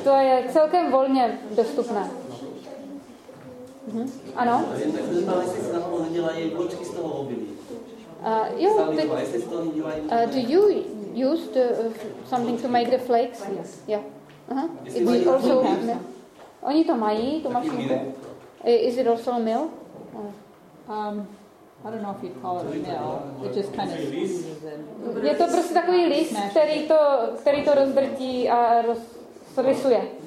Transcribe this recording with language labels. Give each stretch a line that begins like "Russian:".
Czech: To je celkem volně dostupné. Mm-hmm. Ano?
English: Do you use the, something to make the flakes? Yes. Yeah.
Czech: Uh-huh.
English: Is it also?
Czech: Oni to mají, tu mašinku.
English: Is it also a mill? I don't know if you'd call it a mill. It just kind of squeezes it.
Czech: Je to prostě takový list, který to rozbrtí a rozrysuje.